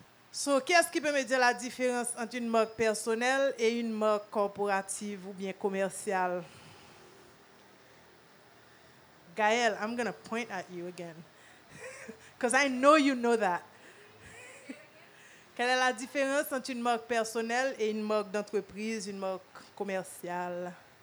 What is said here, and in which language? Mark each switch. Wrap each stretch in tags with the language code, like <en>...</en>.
<fr>So, qu'est-ce qui peut me dire la différence entre une marque personnelle et une marque corporative ou bien commerciale?</fr> <en>Gaëlle, I'm going to point at you again. Because I know you know that.</en> <fr>Quelle est la différence entre une marque personnelle et une marque d'entreprise, une marque commerciale?</fr>